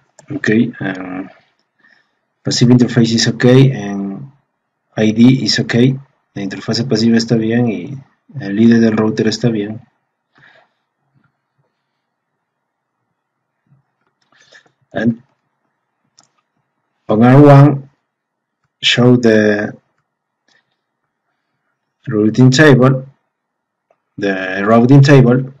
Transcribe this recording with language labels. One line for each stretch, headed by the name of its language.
English: Okay, passive interface is okay and ID is okay.
Spanish: La interfase pasiva está bien y el ID del router está bien.
English: And on R1 show the routing table, the routing table.